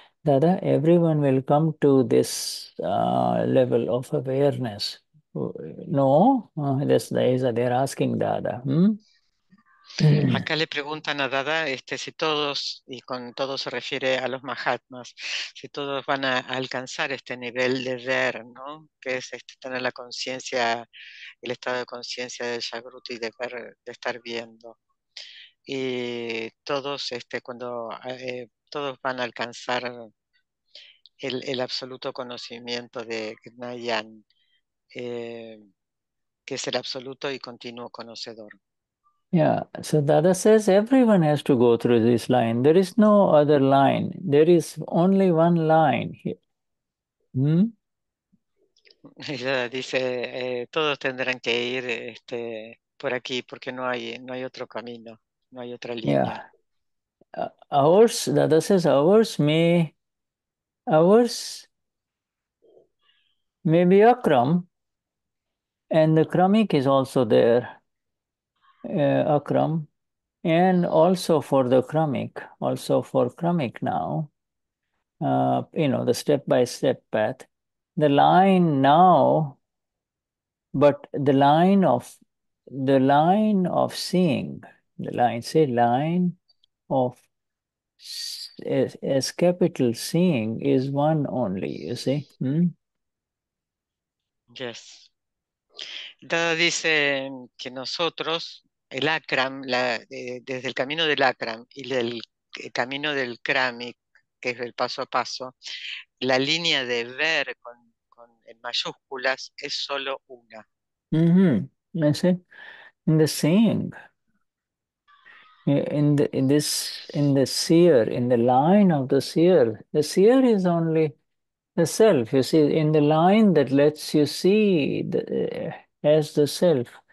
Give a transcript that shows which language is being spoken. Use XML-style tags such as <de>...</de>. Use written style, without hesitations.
<en>Dada, everyone will come to this level of awareness. No, they're asking Dada. Hmm?</en> <es>Acá le preguntan a Dada si todos, y con todos se refiere a los Mahatmas, si todos van a alcanzar este nivel de ver, ¿no? Que es tener la conciencia, el estado de conciencia de Jagruti, de ver, de estar viendo. Y todos, todos van a alcanzar el absoluto conocimiento de Gnayan, que es el absoluto y continuo conocedor.</es> <en>Yeah, so Dada says everyone has to go through this line. There is no other line. There is only one line here.</en> <es>Dada dice, todos tendrán que ir por aquí porque no hay otro camino, no hay otra línea.</es> <en>Yeah. Ours may be Akram, and the Kramik is also there. Akram, and also for the Kramik, also for Kramik now, you know, the step-by-step path, the line now, but the line of seeing is one only, you see. Hmm? Yes.</en> <es>Dada dice que nosotros, el Akram, desde el camino del Akram y del camino del Kramik, que es el paso a paso, la línea de ver con en mayúsculas es solo una.</es> <en>Mm-hmm. I see. In the seeing, in the seer, in the line of the seer is only the self, you see, in the line that lets you see as the self.</en>